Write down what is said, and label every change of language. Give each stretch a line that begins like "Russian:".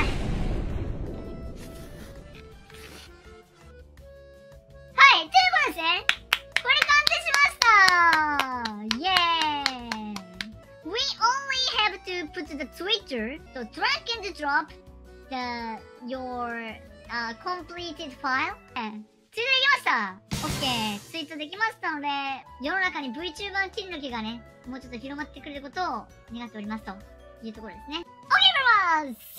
Japanese: はい、ということですね。これ完成しました。イエーイ。
English: We only have to put the Twitter to track and drop your completed file.
Japanese: ついでできました。OK。ツイートできましたので、世の中に VTuber 金の木がね、もうちょっと広まってくれることを願っておりますというところですね。
English: OK, everyone! See you!